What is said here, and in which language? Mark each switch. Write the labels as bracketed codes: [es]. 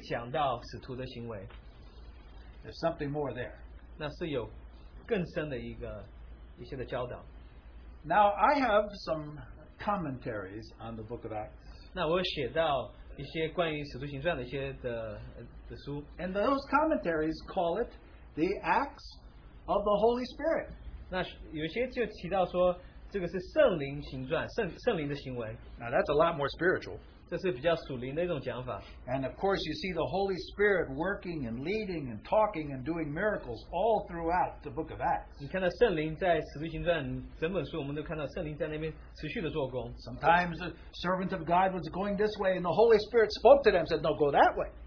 [zh] 那这个使徒行传其实不是讲到使徒的行为, [en] there's something more there. [zh] 那是有更深的一个一些的教导。 [en] Now I have some commentaries on the book of Acts. [zh] 那我写到 [en] And those commentaries call it the Acts of the Holy Spirit. [zh] 那有些就提到说, 这个是圣灵行传，圣灵的行为。 [en] Now that's a lot more spiritual. And of course, you see the Holy Spirit working and leading and talking and doing miracles all throughout the book of Acts. Sometimes the servant of God was going this way, and the Holy Spirit spoke to them and said, no, go that way.